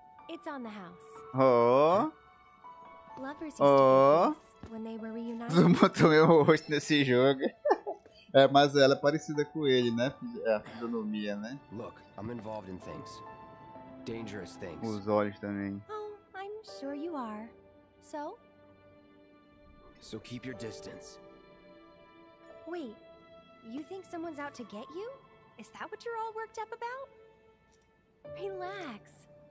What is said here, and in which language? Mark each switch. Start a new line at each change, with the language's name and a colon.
English: It's on the house. Lovers used to dance when they were reunited.
Portuguese: Eu boto meu rosto nesse jogo. É, mas ela é parecida com ele, né? É a fisionomia, né?
English: Look, I'm involved in things. Dangerous things.
Portuguese: Os olhos também.
English: Oh, I'm sure you are. So? So keep your distance. Wait. You think someone's out to get you? Is that what you're all worked up about? Relax.